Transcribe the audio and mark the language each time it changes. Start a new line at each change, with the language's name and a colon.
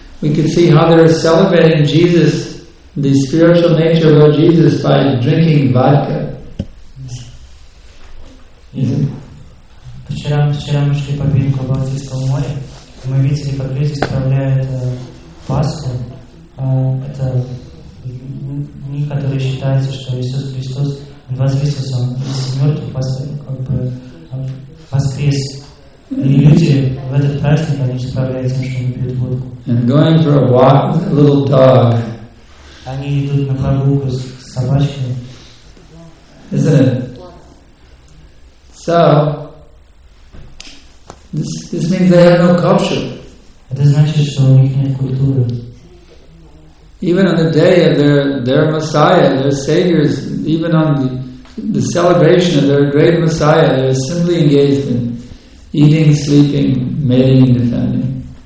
English: We could see how they are celebrating Jesus, the spiritual nature of Jesus, by drinking vodka.
Russian: Вчера мы шли по берегу Балтийского моря, и мы видели, как люди справляют Пасху. Это дни, которые считаются, что Иисус Христос воскресился, Он из мертвых воскрес. И люди в этот праздник они справляются, что они пьют водку.
English: And going for a walk with a little dog.
Russian: Они идут на прогулку с собачкой.
English: Isn't it? So this means they have no culture.
Russian: Это значит, что у них нет культуры.
English: Even on the day of their Messiah, their Savior, even on the celebration of their great Messiah, they are simply engaged in eating, sleeping, mating, and defending.